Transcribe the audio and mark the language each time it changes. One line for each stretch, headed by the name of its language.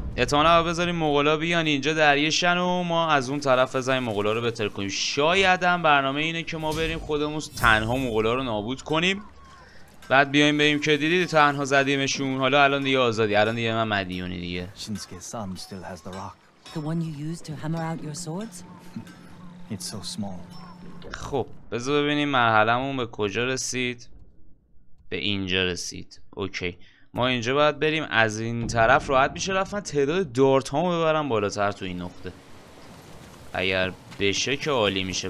Persian: احتمالا بذاریم مغولا بیان اینجا دریشن و ما از اون طرف بزنیم مغولا رو بتر کنیم. شاید هم برنامه اینه که ما بریم خودمون تنها مغولا رو نابود کنیم. بعد بیایم بریم که دیدید تنها زدیمشون. حالا الان دیگه آزادی. الان دیگه من مدیونی دیگه.
English: Shinsuke-san still has the rock. The one you used to hammer out your swords? It's so small.
Persian: خب بذار ببینیم مرحلمون به کجا رسید. به اینجا رسید. اوکی. ما اینجا باید بریم از این طرف راحت میشه رفت. من تعداد دارتامو ببرم بالاتر تو این نقطه اگر بشه که عالی میشه.